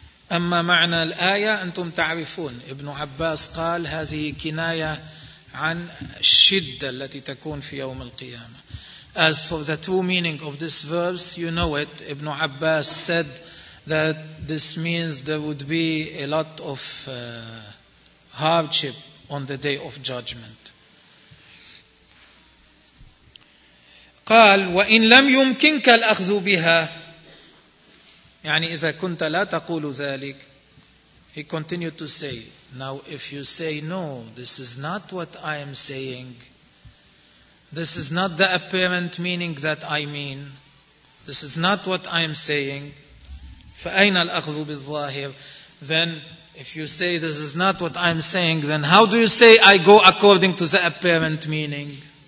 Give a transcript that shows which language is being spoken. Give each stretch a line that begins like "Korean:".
Arabic: أَمَّا مَعْنَى الْآيَةِ أَنْتُمْ تَعْرِفُونَ Ibn Abbas قال, هذه كناية عن الشدة التي تكون في يوم القيامة.
English: As for the true meaning of this verse, you know it. Ibn Abbas said that this means there would be a lot of hardship on the day of judgment.
Arabic: قال وإن لم يمكنك الأخذ بها يعني إذا كنت لا تقول ذلك.
English: He continued to say, now if you say, no, this is not what I am saying, this is not the apparent meaning that I mean, this is not what I am saying,
Arabic: فَأَيْنَ الْأَخْذُ بِالظَّاهِرِ
English: Then, if you say, this is not what I am saying, then how do you say, I go according to the apparent meaning?